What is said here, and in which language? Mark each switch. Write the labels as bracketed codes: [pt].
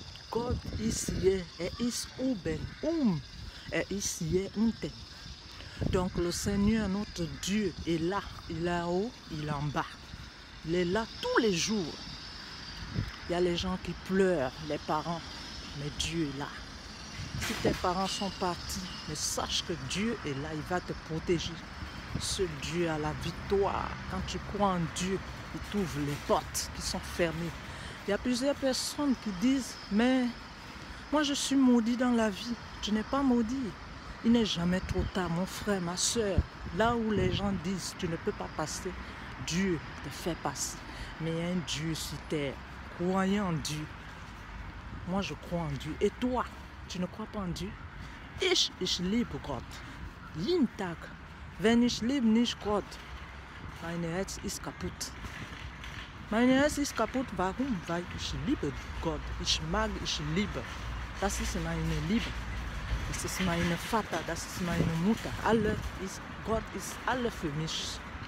[en] God is here, [de] er ist oben, er ist hier unten. [fr] Donc le Seigneur, notre Dieu, est là, il est haut, il est en bas. Il est là tous les jours. Il y a les gens qui pleurent, les parents, mais Dieu est là. Si tes parents sont partis, mais sache que Dieu est là, il va te protéger. Ce Dieu a la victoire. Quand tu crois en Dieu, il t'ouvre les portes qui sont fermées. Il y a plusieurs personnes qui disent, mais moi je suis maudit dans la vie. Tu n'es pas maudit. Il n'est jamais trop tard, mon frère, ma soeur. Là où les gens disent, tu ne peux pas passer, Dieu te fait passer. Mais un Dieu sur terre, croyez en Dieu. Moi je crois en Dieu. Et toi, tu ne crois pas en Dieu? [de] Ich liebe Gott. Jeden Tag. Wenn ich liebe nicht Gott, mein Herz ist kaputt. Mein Herz ist kaputt. Warum? Weil ich liebe Gott. Ich mag, ich liebe. Das ist meine Liebe. Das ist mein Vater. Das ist meine Mutter. Gott ist alles für mich.